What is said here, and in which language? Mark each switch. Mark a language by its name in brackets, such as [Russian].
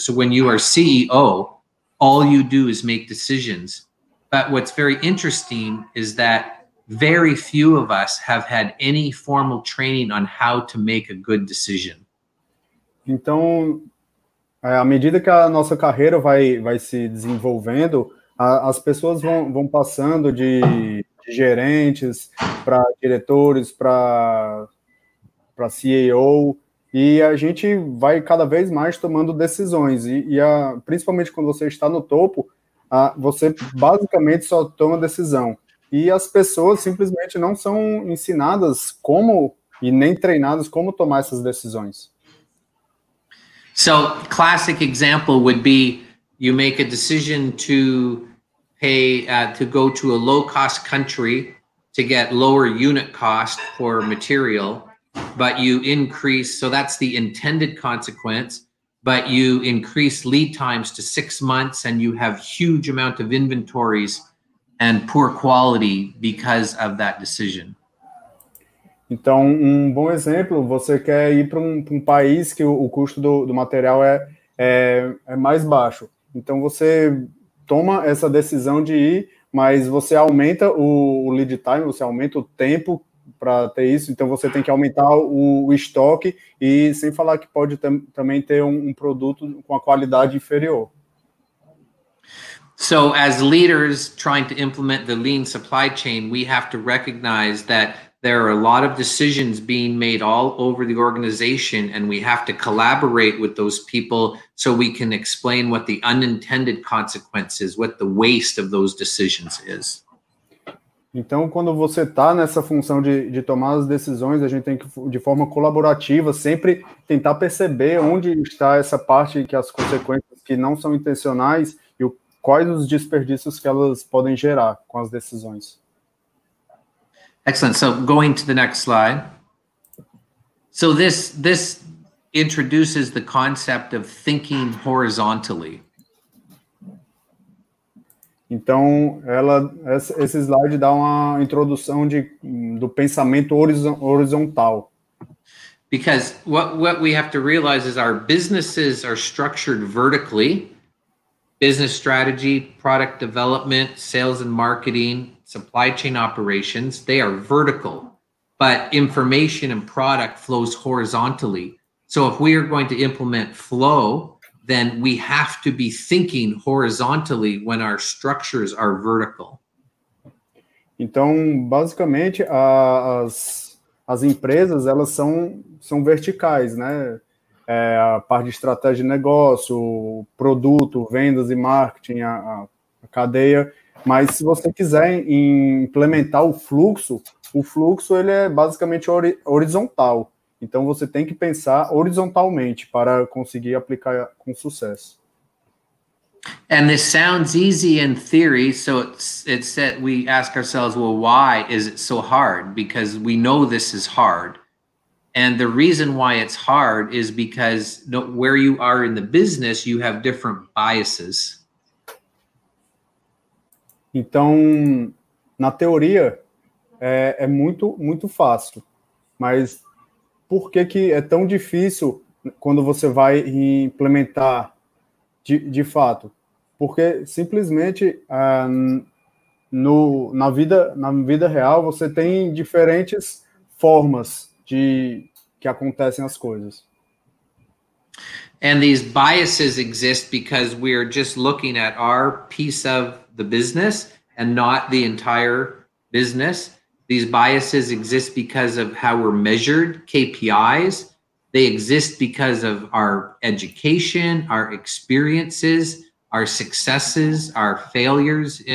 [English] So when you are CEO, all you do is make decisions. But what's very interesting is that very few of us have had any formal training on how to make a good decision. [Portuguese] Então, à medida que a nossa carreira vai se desenvolvendo, as pessoas vão passando de gerentes para diretores, para CEO, e a gente vai cada vez mais tomando decisões. E principalmente quando você está no topo, você basicamente só toma decisão. E as pessoas simplesmente não são ensinadas como, e nem treinadas como tomar essas decisões. [English] So, classic example would be, you make a decision to pay, to go to a low-cost country to get lower unit cost for material. But you increase, so that's the intended consequence, but you increase lead times to 6 months and you have huge amount of inventories and poor quality because of that decision. [Portuguese] Então, bom exemplo, você quer ir para um país que o custo do material é mais baixo. Então, você toma essa decisão de ir, mas você aumenta o lead time, você aumenta o tempo para ter isso, então você tem que aumentar o estoque e sem falar que pode também ter um produto com a qualidade inferior. [English] So as leaders trying to implement the lean supply chain, we have to recognize that there are a lot of decisions being made all over the organization, and we have to collaborate with those people so we can explain what the unintended consequences, what the waste of those decisions is. [Portuguese] Então, quando você está nessa função de tomar as decisões, a gente tem que, de forma colaborativa, sempre tentar perceber onde está essa parte que as consequências que não são intencionais e quais os desperdícios que elas podem gerar com as decisões. [English] Excellent. So, going to the next slide. So, this introduces the concept of thinking horizontally. [Portuguese] Então, esse slide dá uma introdução do pensamento horizontal. [English] Because what we have to realize is our businesses are structured vertically. Business strategy, product development, sales and marketing, supply chain operations, they are vertical. But information and product flows horizontally. So if we are going to implement flow, then we have to be thinking horizontally when our structures are vertical. [Portuguese] Então, basicamente, as empresas, elas são verticais, né? É, a parte de estratégia de negócio, produto, vendas e marketing, a cadeia. Mas se você quiser implementar o fluxo ele é basicamente horizontal. Então, você tem que pensar horizontalmente para conseguir aplicar com sucesso. [English] And this sounds easy in theory, so it's that we ask ourselves, well, why is it so hard? Because we know this is hard. And the reason why it's hard is because where you are in the business, you have different biases. [Portuguese] Então, na teoria, é muito, muito fácil. Mas por que é tão difícil quando você vai implementar de fato? Porque simplesmente na vida real você tem diferentes formas de que acontecem as coisas. [English] And these biases exist because we are just looking at our piece of the business and not the entire business. These biases exist because of how we're measured, KPIs. They exist because of our education, our experiences, our successes, our failures.